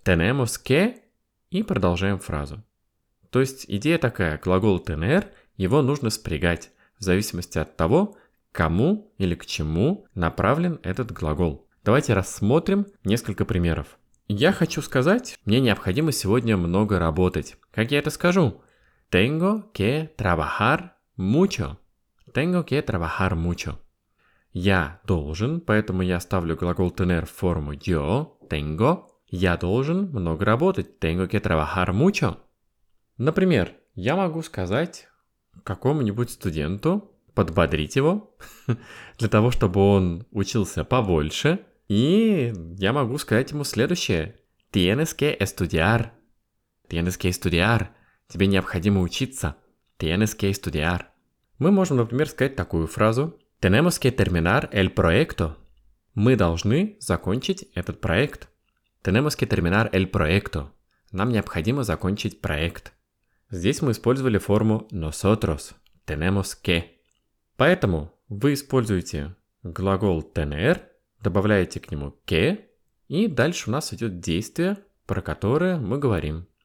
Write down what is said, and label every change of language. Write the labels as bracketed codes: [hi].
[es] Tenemos que [ru] и продолжаем фразу. То есть идея такая, глагол tener, его нужно спрягать в зависимости от того, кому или к чему направлен этот глагол. Давайте рассмотрим несколько примеров. Я хочу сказать, мне необходимо сегодня много работать. Как я это скажу? [es] Tengo que trabajar mucho. Tengo que trabajar mucho. [ru] Я должен, поэтому я ставлю глагол tener в форму yo, tengo. Я должен много работать. [es] Tengo que trabajar mucho. [ru] Например, я могу сказать какому-нибудь студенту, подбодрить его, для того, чтобы он учился побольше. И я могу сказать ему следующее. [es] Tienes que estudiar. Tienes que estudiar. [ru] Тебе необходимо учиться. [es] Tienes que estudiar. [ru] Мы можем, например, сказать такую фразу. [es] Tenemos que terminar el proyecto. [ru] Мы должны закончить этот проект. [es] Tenemos que terminar el proyecto. [ru] Нам необходимо закончить проект. Здесь мы использовали форму nosotros. [es] Tenemos que. [ru] Поэтому вы используете глагол tener, добавляете к нему «que», и дальше у нас идет действие, про которое мы говорим.